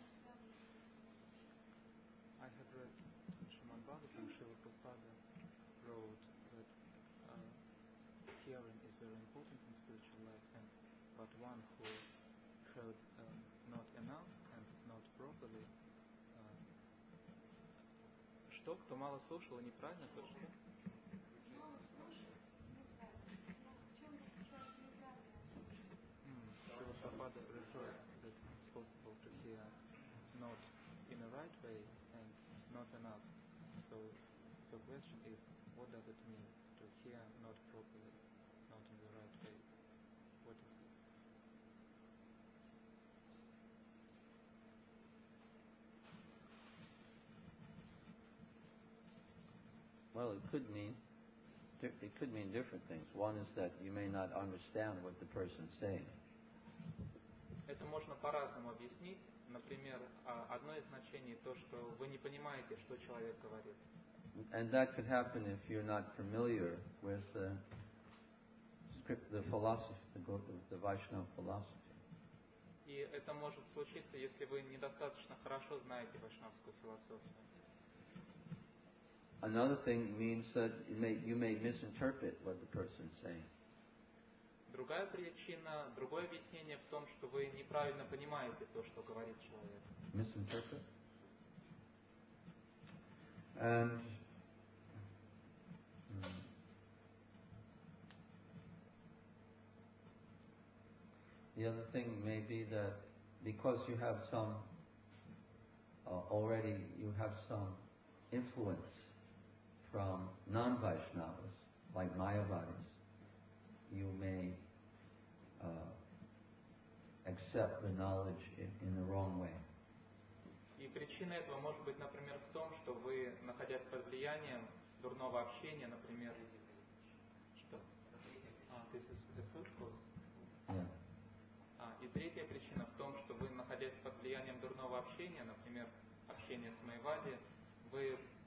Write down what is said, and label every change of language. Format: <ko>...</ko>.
<en>I have read Srimad Bhagavatam, Srila Prabhupada wrote that hearing is very important in spiritual life, and but one who heard not enough and not properly.</en> <ru>Что, кто мало слушал и неправильно слушал?</ru> <en>Prabhupada referred that it's possible to hear not in the right way and not enough. So the question is, what does it mean to hear not properly, not in the right way? What is it? Mm-hmm. Well, it could mean different things. One is that you may not understand what the person is saying.</en> <ru>Это можно по-разному объяснить. Например, одно из значений то, что вы не понимаете, что человек говорит.</ru> <en>And that could happen if you're not familiar with the script, the philosophy, the Vaishnava philosophy.</en> <ru>И это может случиться, если вы недостаточно хорошо знаете вайшнавскую философию.</ru> <en>Another thing means that you may misinterpret what the person is saying.</en> <ru>Другая причина, другое объяснение в том, что вы неправильно понимаете то, что говорит человек.</ru> <en>Misinterpret. And the other thing may be that because you have some already you have some influence from non-Vaishnavas, like Mayavadis, you may accept the knowledge in the wrong way.</en> <ru>И причина этого может быть, например, в том, что вы, находясь под влиянием дурного общения, например, что?</ru> <en>This is the food course.</en> <ru>И третья причина в том, что вы, находясь под влиянием дурного общения, например, общения с Майвади, вы...</ru>